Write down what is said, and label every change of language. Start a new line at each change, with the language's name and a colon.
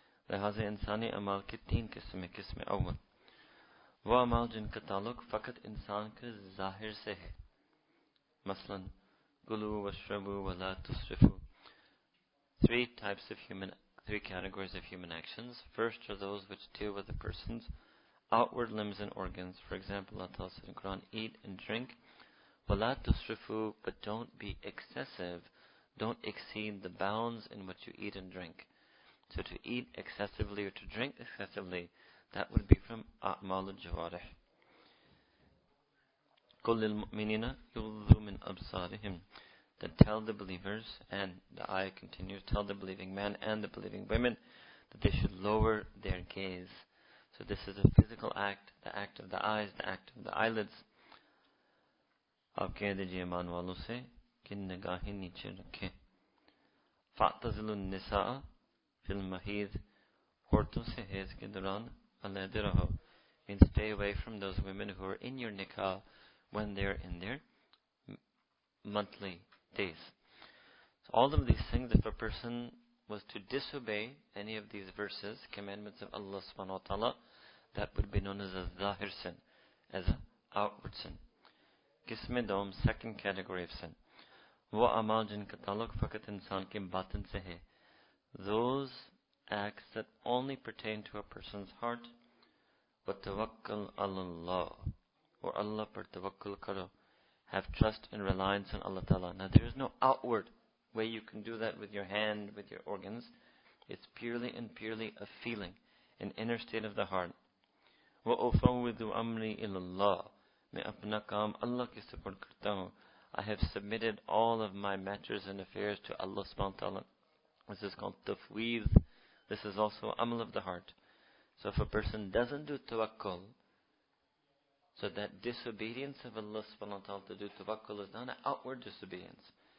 Urdu: لہٰذا انسانی عمال کی تین قسمیں, قسم اول وہ عمال جن کا تعلق فقط انسان کے ظاہر سے ہے, مثلاً
Arabic: قلو وشربو ولا تصرفو.
English: Three categories of human actions. First are those which deal with the person's outward limbs and organs. For example, Allah tells in the Quran, eat and drink,
Arabic: ولا تصرفو,
English: but don't be excessive, don't exceed the bounds in what you eat and drink. So to eat excessively or to drink excessively, that would be from أعمال الجوارح.
Arabic: قل للمؤمنين يغضوا من أبصارهم.
English: That tell the believers, and the ayah continues, tell the believing men and the believing women that they should lower their gaze. So this is a physical act, the act of the eyes, the act of the eyelids.
Urdu: آپ کہہ دیجئے ایمان والوں سے کہ نگاہیں نیچے رکھیں.
Arabic: فاعتزل النساء في المحيض.
Urdu: عورتوں سے حیض کے دوران
English: and stay away from those women who are in your nikah when they are in their monthly days. So all of these things, if a person was to disobey any of these verses, commandments of Allah subhanahu wa ta'ala, that would be known as a zahir sin, as an outward sin.
Urdu: Qism-e dom,
English: second category of sin.
Urdu: Wo amal jin ka taluq faqat insan ke batin se hai.
English: Those acts that only pertain to a person's heart.
Arabic: وَتَوَكَّلْ عَلَى اللَّهِ,
English: or
Urdu: Allah par tawakkul karo,
English: have trust and reliance on Allah Ta'ala. Now there is no outward way you can do that with your hand, with your organs. It's purely and purely a feeling, an inner state of the heart.
Arabic: وَأُفَوِّذُ أَمْرِي إِلَى اللَّهِ,
Urdu: میں اپنا کام اللہ کی سپرد کرتا ہوں.
English: I have submitted all of my matters and affairs to Allah Subhanahu wa Ta'ala. This is called tafweez. This is also amal of the heart. So if a person doesn't do tawakkul, so that disobedience of Allah subhanahu wa ta'ala to do tawakkul is not an outward disobedience.